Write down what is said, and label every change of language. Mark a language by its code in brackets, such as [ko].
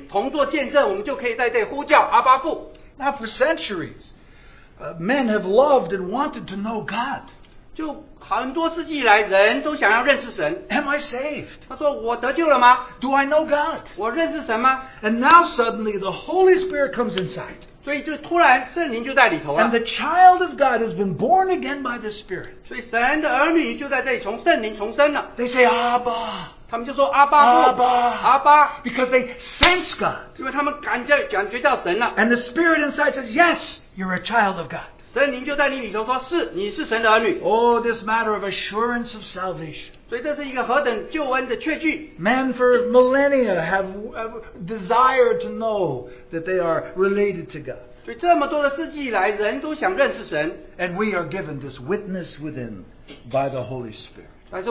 [zh] 就像保罗所说的，圣灵与我们的灵同做见证，我们就可以在这呼叫阿巴父。 [en] Now for centuries, men have loved and wanted to know God. [zh] 就很多世纪以来，人都想要认识神。 [en] Am I saved? [zh] 他说我得救了吗? [en] Do I know God? [zh] 我认识神吗? [en] And now suddenly the Holy Spirit comes inside. [zh] 所以就突然圣灵就在里头了。 [en] And the child of God has been born again by the Spirit. [zh] 所以神的儿女就在这里从圣灵重生了。 [en] They say, Abba. [zh] 他们就说阿爸父，阿爸。 [en] Because they sense God. [zh] 因为他们感觉到神了。 [en] And the Spirit inside says, yes, you're a child of God. [zh] 神灵就在你里头说，是，你是神的儿女。 [en] Oh, this matter of assurance of salvation. [zh] 所以这是一个何等救恩的确据。 [en] Men for millennia have desired to know that they are related to God. [zh] 所以这么多的世纪以来，人都想认识神。 [en] And we are given this witness within by the Holy Spirit.